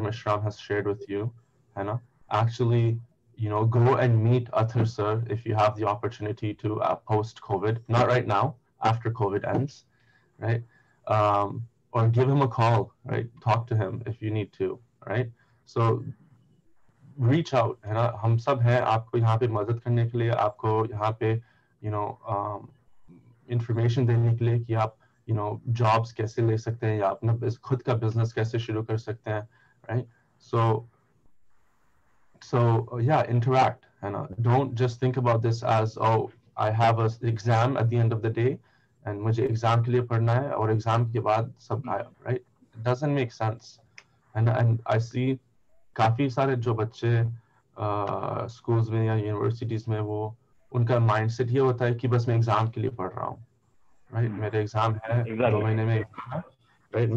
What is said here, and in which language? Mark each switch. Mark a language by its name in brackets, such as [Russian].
[English] Mishram has shared with you, Hannah. Actually, you know, go and meet Athir sir if you have the opportunity to post-COVID, not right now, after COVID ends, right? Or give him a call, right? Talk to him if you need to, right? So reach out. [Hindi] And हम सब हैं, आपको यहाँ पे मदद करने के लिए, आपको यहाँ पे, you know, information देने के लिए कि आप, you know, jobs कैसे ले सकते हैं, या अपना खुद का business कैसे शुरू कर सकते हैं, right? [English] So yeah, interact, and don't just think about this as, oh, I have an exam at the end of the day, and [Hindi] मुझे exam के लिए पढ़ना है, और exam के बाद सब आया, [English] right? It doesn't make sense. And I see [Hindi] काफ़ी सारे जो बच्चे schools में या universities में, वो उनका mindset ये होता है कि बस मैं exam के लिए पढ़ रहा हूँ, right? मेरे exam है, exactly. 2 महीने में, right?